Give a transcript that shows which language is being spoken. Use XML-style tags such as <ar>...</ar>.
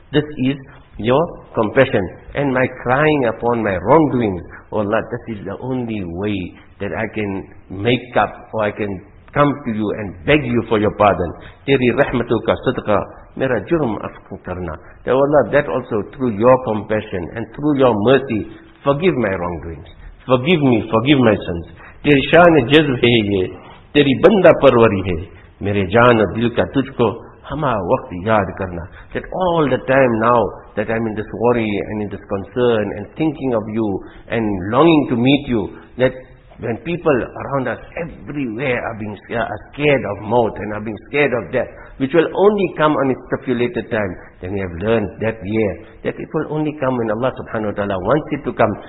<en>This is your compassion. And my crying upon my wrongdoings, oh Allah, this is the only way that I can make up, or I can come to you and beg you for your pardon.</en> <ur>Teri rahmatuka sadqa, mera jurm afku karna.</ur> <en>Oh Allah, that also through your compassion and through your mercy, forgive my wrongdoings. Forgive me, forgive my sins.</en> <ur>تیری شان جذب ہے یہ تیری بندہ پروری ہے میرے جان اور دل کا تجھ کو ہما وقت یاد کرنا.</ur> <en>That all the time now that I'm in this worry and in this concern and thinking of you and longing to meet you, that when people around us everywhere are scared of mouth and are being scared of death, which will only come on its stipulated time, then we have learned that year that it will only come when Allah subhanahu wa ta'ala wants it to come.</en>